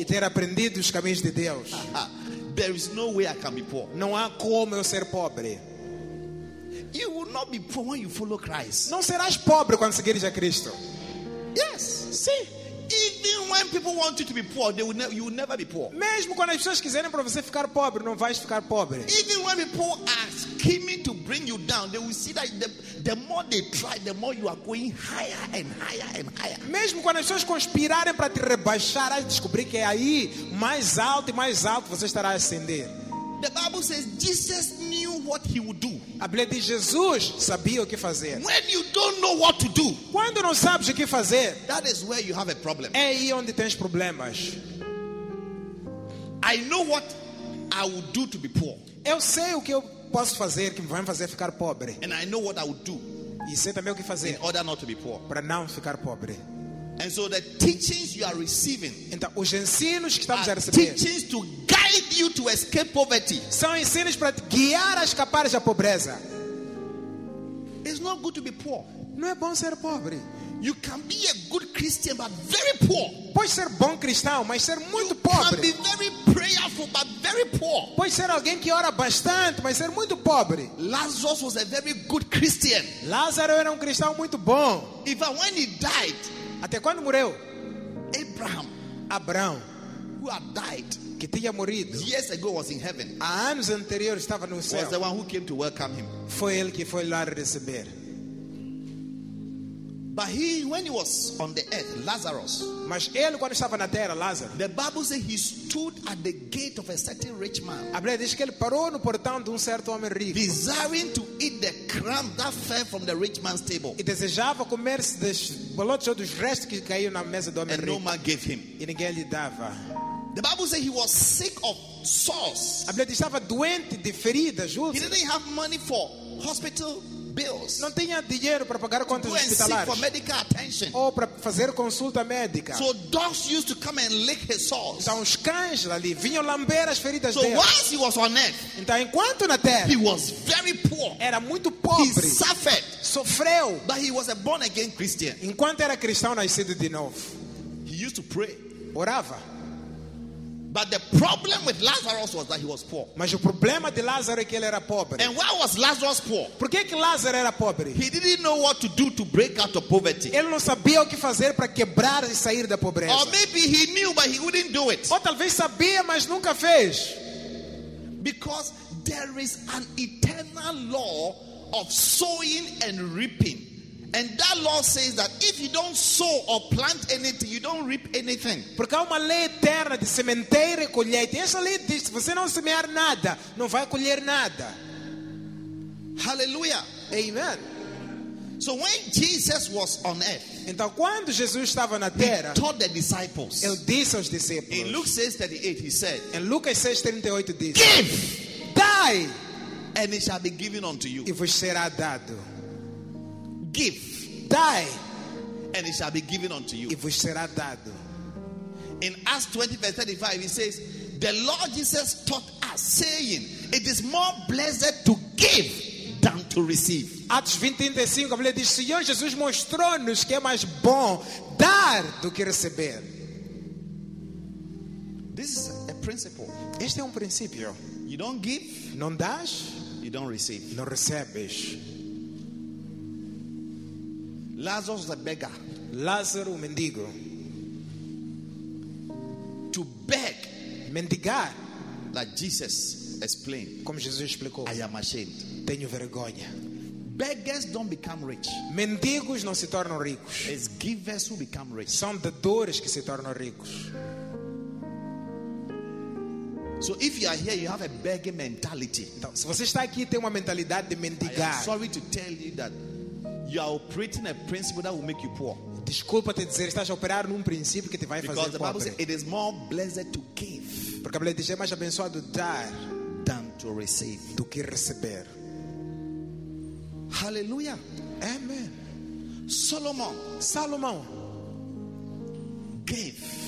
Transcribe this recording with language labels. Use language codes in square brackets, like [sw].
[pt] e ter aprendido os caminhos de Deus, [en] there is no way I can be poor. [pt] Não há como eu ser pobre. [en] You will not be poor when you follow Christ. [pt] Não serás pobre quando seguires a Cristo. [en] Yes, [pt] sim. [en] Even when people want you to be poor, they will you will never be poor. [pt] Mesmo quando as pessoas quiserem para você ficar pobre, não vais ficar pobre. [en] Even when people are scheming to bring you down, they will see that the more they try, the more you are going higher and higher and higher. [pt] Mesmo quando as pessoas conspirarem para te rebaixar, vais descobrir que é aí mais alto e mais alto você estará a ascender. [en] The Bible says Jesus knew what he would do. [pt] A Bíblia diz Jesus sabia o que fazer. [en] When you don't know what to do, [pt] quando não sabes o que fazer, [en] that is where you have a problem. [pt] É aí onde tens problemas. [en] I know what I would do to be poor. [pt] Eu sei o que eu posso fazer que vai me fazer ficar pobre. [en] And I know what I would do. [pt] E sei também o que fazer [en] in order not to be poor. [pt] Para não ficar pobre. [en] And so the teachings you are receiving, [pt] então, os ensinos que estamos [en] are [pt] a receber, [en] teachings to guide you to escape poverty, [pt] são ensinos para te guiar a escapar da pobreza. [en] It's not good to be poor. [pt] Não é bom ser pobre. [en] You can be a good Christian but very poor. [pt] Pode ser bom cristão, mas ser muito [en] you [pt] pobre. [en] You can be very prayerful but very poor. [pt] Pode ser alguém que ora bastante, mas ser muito pobre. [en] Lazarus was a very good Christian. [pt] Lázaro era cristão muito bom. [en] Even when he died. [pt] Até quando morreu? [en] Abraham, [pt] Abraão, [en] who had died, [pt] que tinha morrido, [en] years ago was in heaven. [pt] Há anos anteriores estava no céu. [en] Was the one who came to welcome him. [pt] Foi ele que foi lá receber. [en] But he, when he was on the earth, Lazarus. [pt] Mas ele quando estava na terra, Lázaro. [en] The Bible says he stood at the gate of a certain rich man. [pt] A Bíblia diz que ele parou no portão de certo homem rico. [en] Desiring to eat the crumb that fell from the rich man's table. [pt] E desejava comer dos bolotes ou dos restos que caíam na mesa do homem [en] and [pt] rico. [en] And no man gave him. [pt] E ninguém lhe dava. [en] The Bible says he was sick of sores. [pt] A Bíblia diz estava doente de feridas. [en] He didn't have money for hospital. Bills. [pt] Não tinha dinheiro para pagar contas hospitalares. [en] For medical attention. [pt] Ou para fazer consulta médica. [en] So dogs used to come and lick his sores. [pt] Então os cães ali vinham lamber as feridas [en] so [pt] dele. [en] Whilst he was on earth, [pt] então enquanto na terra, [en] he was very poor. [pt] Era muito pobre. [en] He suffered, [pt] sofreu. [en] But he was a born again Christian. [pt] Enquanto era cristão nascido de novo. [en] He used to pray. [pt] Orava. [en] But the problem with Lazarus was that he was poor. [pt] Mas o problema de Lázaro é que ele era pobre. [en] And why was Lazarus poor? [pt] Por que que Lázaro era pobre? [en] He didn't know what to do to break out of poverty. [pt] Ele não sabia o que fazer para quebrar e sair da pobreza. [en] Or maybe he knew but he wouldn't do it. [pt] Ou talvez sabia, mas nunca fez. [en] Because there is an eternal law of sowing and reaping. And that law says that if you don't sow or plant anything, you don't reap anything. [pt] Porque há uma lei eterna de sementeira e colheita. Essa lei diz que se você não semear nada, não vai colher nada. Hallelujah. Amen. [en] So when Jesus was on earth, [pt] então quando Jesus estava na terra, [en] he taught the disciples. [pt] Ele disse aos discípulos. [en] In Luke 6:38, he said. [pt] Em Lucas 6:38 diz. [en] Give, [pt] dai, [en] and it shall be given unto you. [pt] E vos será dado. [en] Give, [pt] dai, [en] and it shall be given unto you. [pt] E vos será dado. [en] In Acts 20 verse 35, he says, the Lord Jesus taught us, saying, it is more blessed to give than to receive. [pt] Atos 20:35, ele diz, Senhor Jesus mostrou-nos que é mais bom dar do que receber. [en] This is a principle. [pt] Este é princípio. [en] You don't give, [pt] não dás, [en] you don't receive. [pt] Não recebes. [en] Lazarus was a beggar. [pt] Lázaro, mendigo. [en] To beg, [pt] mendigar. [en] Like Jesus explained. [pt] Como Jesus explicou. [en] I am ashamed. [pt] Tenho vergonha. [en] Beggars don't become rich. [pt] Mendigos não se tornam ricos. [en] It's givers who become rich. [pt] São dadores que se tornam ricos. [en] So if you are here, you have a begging mentality. [pt] Então, se você está aqui, tem uma mentalidade de mendigar. [en] I am sorry to tell you that you are operating a principle that will make you poor. [pt] Desculpa te dizer, estás a operar num princípio que te vai [en] because [pt] fazer [en] the Bible [pt] pobre. [en] Says, it is more blessed to give. [pt] Porque a Bíblia diz, é mais abençoado dar [en] than to receive. [pt] Do que receber. Hallelujah. Amen. [en] Solomon gave,